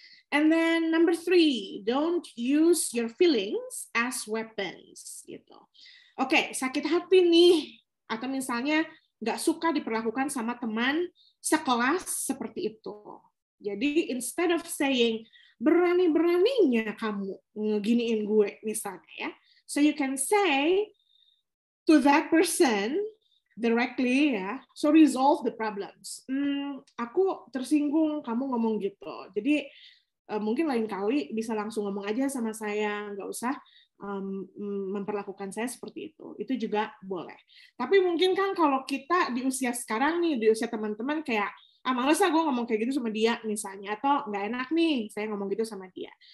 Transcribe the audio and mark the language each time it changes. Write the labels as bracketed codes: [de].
[en] And then number three, don't use your feelings as weapons. [id] Gitu. Oke, okay, sakit hati nih, atau misalnya nggak suka diperlakukan sama teman sekelas seperti itu. Jadi [en] instead of saying, [id] berani-beraninya kamu ngeginiin gue misalnya ya. [en] So you can say to that person directly ya, so resolve the problems. [id] Aku tersinggung kamu ngomong gitu. Jadi mungkin lain kali bisa langsung ngomong aja sama saya, nggak usah memperlakukan saya seperti itu juga boleh. Tapi mungkin kan kalau kita di usia sekarang nih, di usia teman-teman kayak males lah gue ngomong kayak gitu sama dia misalnya, atau nggak enak nih saya ngomong gitu sama dia.